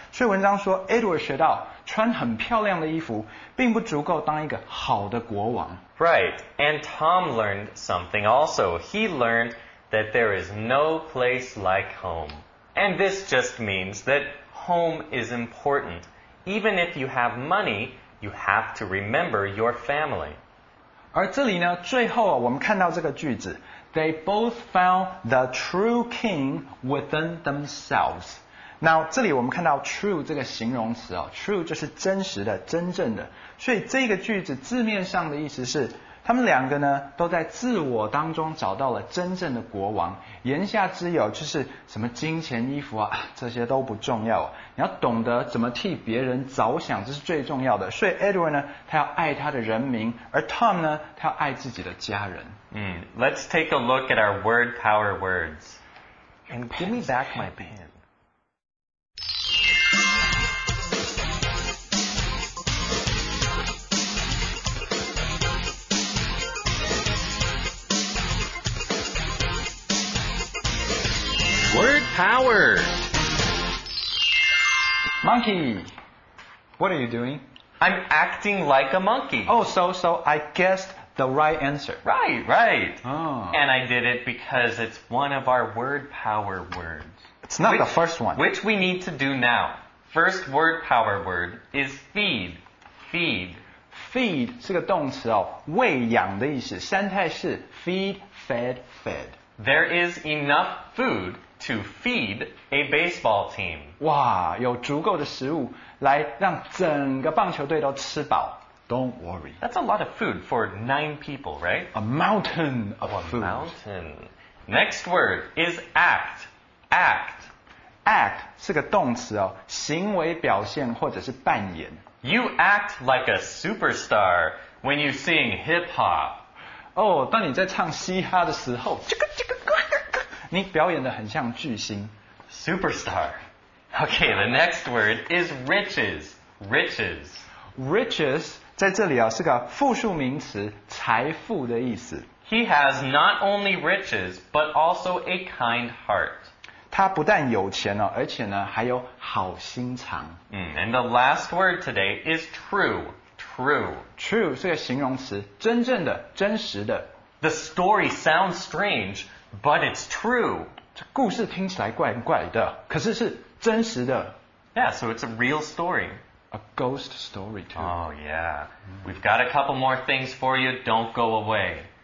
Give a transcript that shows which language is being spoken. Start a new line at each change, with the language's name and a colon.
Chinese: 所以文章说 Edward 学到穿很漂亮的衣服，并不足够当一个好的国王。
English: Right, and Tom learned something also. He learned that there is no place like home. And this just means that home is important. Even if you have money, you have to remember your family.
Chinese: 而这里呢，最后啊，我们看到这个句子 ，
English: They both found the true king within themselves.
Chinese: Now, 这里我们看到 true 这个形容词啊 ，true 就是真实的、真正的。所以这个句子字面上的意思是，他们两个呢都在自我当中找到了真正的国王。言下之有就是什么金钱、衣服啊，这些都不重要、啊。你要懂得怎么替别人着想，这是最重要的。所以 Edward 呢，他要爱他的人民，而 Tom 呢，他要爱自己的家人。
English: Let's take a look at our word power words. And give me back my pen. Word power. Monkey. What are you doing? I'm acting like a monkey. Oh, so I guessed the right answer. Right. Oh. And I did it because it's one of our word power words. It's not the first one. Which we need to do now. First word power word is feed. Feed.
Chinese: Feed 是个动词哦，喂养的意思。三态是 feed, fed, fed.
English: There is enough food. To feed a baseball team.
Chinese: 哇，有足够的食物来让整个棒球队都吃饱。
English: Don't worry. That's a lot of food for 9 people, right? A mountain of food. A mountain. Next word is act. Act.
Chinese: Act 是个动词哦，行为表现或者是扮演。
English: You act like a superstar when you sing hip-hop.
Chinese: 哦，当你在唱嘻哈的时候，你表演得很像巨星
English: Superstar. Okay, the next word is riches. Riches.
Chinese: Riches 在这里啊是个复数名词，财富的意思。
English: He has not only riches, but also a kind heart.
Chinese: 他不但有钱啊，而且呢还有好心肠。
English: And the last word today is true. True.
Chinese: True 是个形容词，真正的，真实的。
English: The story sounds strange. But it's true.
Chinese: 这故事听起来怪怪的，可是是真实的。
English: Yeah, so it's a real story. A ghost story, too. Oh, yeah. We've got a couple more things for you. Don't go away.